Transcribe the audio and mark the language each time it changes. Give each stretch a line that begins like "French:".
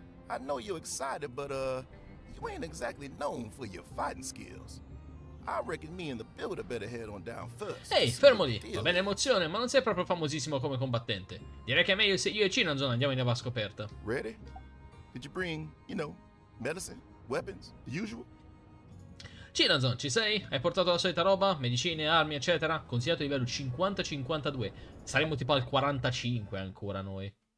English: I know you're excited, but you ain't exactly known for your fighting skills. I reckon me and the builder better head on down first.
Italian: Ehi, fermo lì. Va bene emozione, ma non sei proprio famosissimo come combattente. Direi che è meglio se io e Ginazon andiamo in nuova scoperta.
English: Ready? Did you bring, you know, medicine, weapons, the usual?
Italian: Ginazon, ci sei? Hai portato la solita roba? Medicine, armi, eccetera? Consigliato livello 50-52. Saremmo tipo al 45 ancora noi.